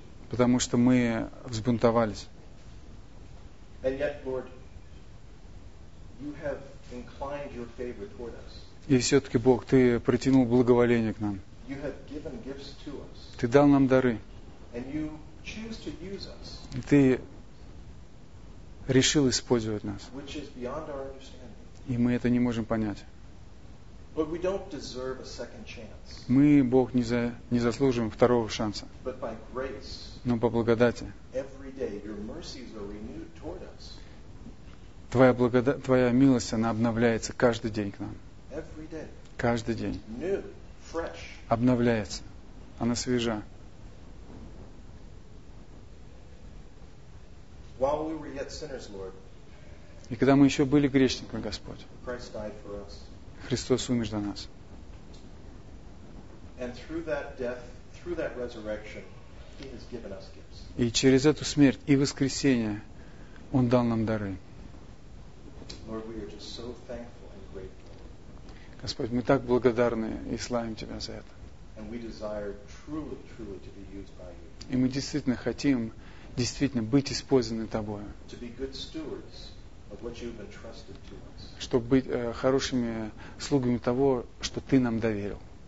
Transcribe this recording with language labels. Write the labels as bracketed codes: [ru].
[ru] Потому что мы взбунтовались. [en] Yet, Lord, you have inclined your favor toward us. [ru] И все-таки, Бог, Ты протянул благоволение к нам. [en] You have given gifts to us. [ru] Ты дал нам дары. [en] And you choose to use us. [ru] И Ты решил использовать нас. [en] Which is beyond our understanding. [ru] И мы это не можем понять. [en] But we don't deserve a second chance. [ru] Мы, Бог, не заслуживаем второго шанса. [en] But by grace, [ru] но по благодати. [en] Every day your mercies are renewed toward us. [ru] Твоя милость, она обновляется каждый день к нам. [en] Every day. [ru] Каждый день. [en] New, fresh. [ru] Обновляется. Она свежа. [en] While we were yet sinners, Lord, [ru] и когда мы еще были грешниками, Господь, [en] Christ died for us. [ru] Христос умер за нас. [en] And through that death, through that resurrection, He has given us gifts. [ru] И через эту смерть и воскресение Он дал нам дары. [en] Lord, we are just so thankful and grateful. [ru] Господь, мы так благодарны и славим Тебя за это. [en] And we desire truly, truly to be used by you. [ru] И мы действительно хотим действительно быть использованы Тобою. [en] To be good stewards of what you've entrusted to us. [ru] Чтобы быть хорошими слугами того, что Ты нам доверил.